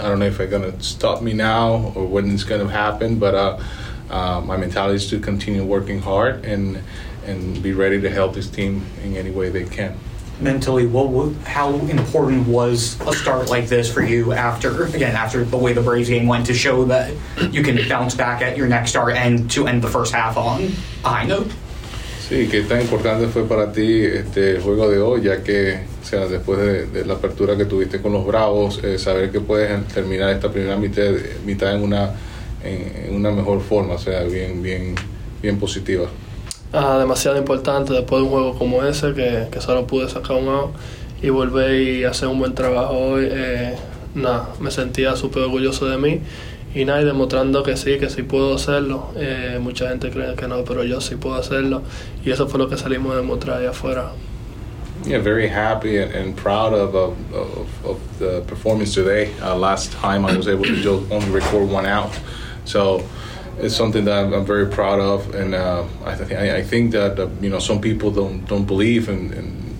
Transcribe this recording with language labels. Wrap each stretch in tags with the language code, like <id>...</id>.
<en>I don't know if they're gonna stop me now or when it's gonna happen, but my mentality is to continue working hard and be ready to help this team in any way they can. Mentally, how important was a start like this for you after the way the Braves game went to show that you can bounce back at your next start and to end the first half on a high note?</en> <es>Sí, qué tan importante fue para ti este juego de hoy, ya que, o sea, después de la apertura que tuviste con los Bravos, saber que puedes terminar esta primera mitad en una mejor forma, o sea, bien positiva. Demasiado importante después de un juego como ese que solo pude sacar un out y volver y hacer un buen trabajo hoy. Me sentía súper orgulloso de mí y nada, y demostrando que sí puedo hacerlo. Mucha gente cree que no, pero yo sí puedo hacerlo, y eso fue lo que salimos a demostrar ahí afuera.</es> <en>Yeah, very happy and proud of the performance today. Last time I was able to just only record one out, so it's something that I'm very proud of, and I think that you know, some people don't believe in</en>